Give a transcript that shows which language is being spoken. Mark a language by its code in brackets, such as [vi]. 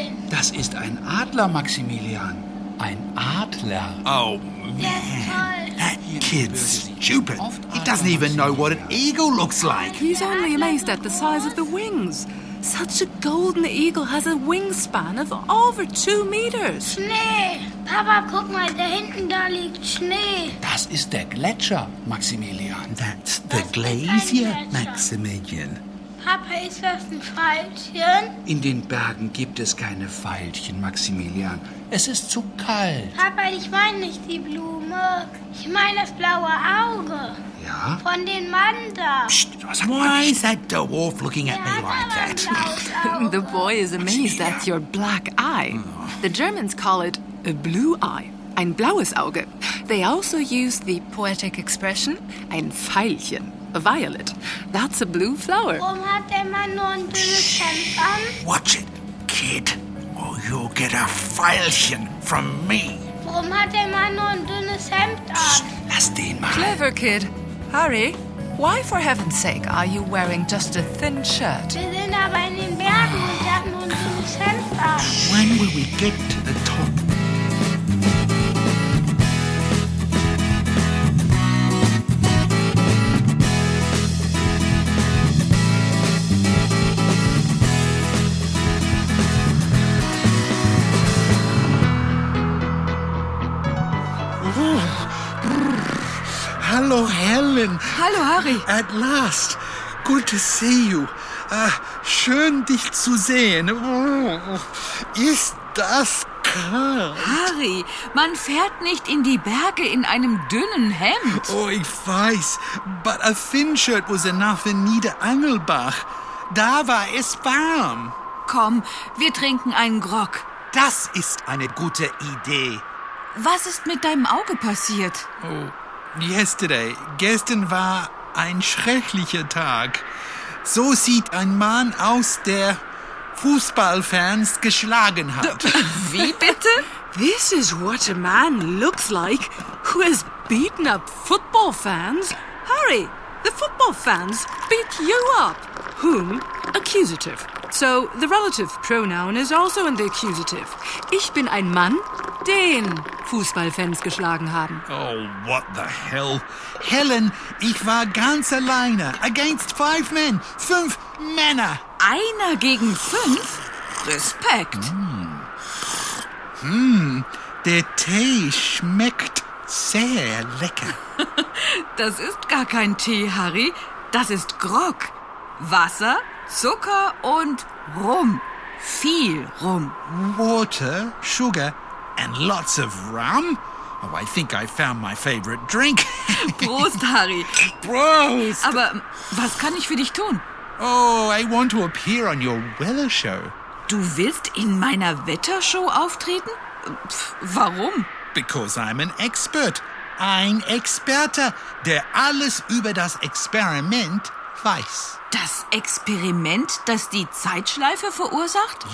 [de] Das ist ein Adler, Maximilian. Ein Adler. [en] Oh, man. That kid's stupid. He doesn't even know what an eagle looks like. He's only amazed at the size of the wings. Such a golden eagle has a wingspan of over 2 meters. [de] Schnee. Papa, guck mal, da hinten, da liegt Schnee. Das ist der Gletscher, Maximilian. [en] That's the glacier, Maximilian. [de] Papa, ist das ein Pfeilchen? In den Bergen gibt es keine Pfeilchen, Maximilian. Es ist zu kalt. Papa, ich meine nicht die Blume. Ich meine das blaue Auge. Ja? Von den Manda. Psst, was ist das? [en] Why is that dwarf looking at me like that? The boy is amazed at your black eye. The Germans call it a blue eye. [de] Ein blaues Auge. [en] They also use the poetic expression, [de] ein Pfeilchen. [en] A violet. That's a blue flower. [de] Warum hat der Mann nur ein dünnes Hemd an? [en] Watch it, kid, or you'll get a Pfeilchen from me. [de] Warum hat der Mann nur ein dünnes Hemd an? Psst, lass den mal. [en] Clever kid. Harry, why for heaven's sake are you wearing just a thin shirt? [de] Wir sind aber in den Bergen und haben nur ein dünnes Hemd an. [en] When will we get to the top? [de] Hallo, Helen. Hallo, Harry. [en] At last. Good to see you. [de] Schön, dich zu sehen. Ist das kalt? Harry, man fährt nicht in die Berge in einem dünnen Hemd. Oh, ich weiß. [en] But a thin shirt was enough in Niederangelbach. [de] Da war es warm. Komm, wir trinken einen Grog. Das ist eine gute Idee. Was ist mit deinem Auge passiert? [en] Oh, yesterday. [de] Gestern war ein schrecklicher Tag. So sieht ein Mann aus, der Fußballfans geschlagen hat. Wie bitte? [en] This is what a man looks like who has beaten up football fans. Harry, the football fans beat you up. Whom? Accusative. So the relative pronoun is also in the accusative. [de] Ich bin ein Mann, den Fußballfans geschlagen haben. [en] Oh, what the hell. [de] Helen, ich war ganz alleine. [en] Against five men. [de] Fünf Männer. Einer gegen fünf? Respekt. Der Tee schmeckt sehr lecker. Das ist gar kein Tee, Harry. Das ist Grog. Wasser, Zucker und Rum. Viel Rum. [en] Water, Sugar and lots of Rum? Oh, I think I found my favorite drink. [de] Prost, Harry. Prost. Aber was kann ich für dich tun? [en] Oh, I want to appear on your weather show. [de] Du willst in meiner Wettershow auftreten? Warum? [en] Because I'm an expert. [de] Ein Experte, der alles über das Experiment weiß. Das Experiment, das die Zeitschleife verursacht?